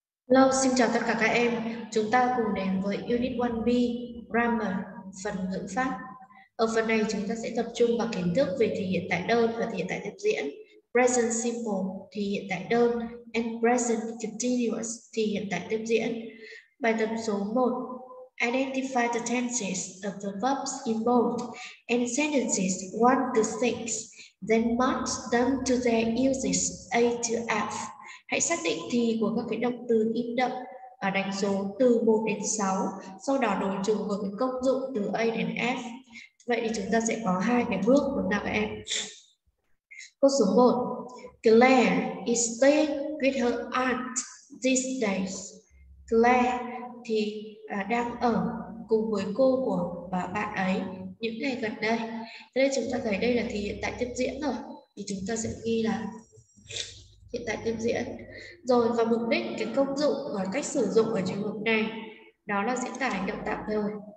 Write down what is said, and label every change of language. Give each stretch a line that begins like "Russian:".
Vietnamese: Hello, xin chào tất cả các em. Chúng ta cùng đến với Unit 1B Grammar, phần ngữ pháp. Ở phần này chúng ta sẽ tập trung vào kiến thức về thể hiện tại đơn và thể hiện tại tiếp diễn.
English: Present simple,
Vietnamese: thể hiện tại đơn,
English: and present continuous,
Vietnamese: thể hiện tại tiếp diễn. Bài tập số 1.
English: Identify the tenses of the verbs in both and sentences 1 to 6, then mark them to their uses A to F.
Vietnamese: Hãy xác định thì của các cái động từ in đậm ở đánh số từ 1 đến 6, sau đó đối trùng với cái công dụng từ A đến F. Vậy thì chúng ta sẽ có hai cái bước của các em. Câu số 1.
English: Claire is staying with her aunt these days.
Vietnamese: Claire thì đang ở cùng với cô của bà bạn ấy những ngày gần đây. Thế nên chúng ta thấy đây là thì hiện tại tiếp diễn rồi, thì chúng ta sẽ ghi là hiện tại tiếp diễn. Rồi và mục đích, cái công dụng và cách sử dụng ở trường hợp này đó là diễn tả hành động tạm thời.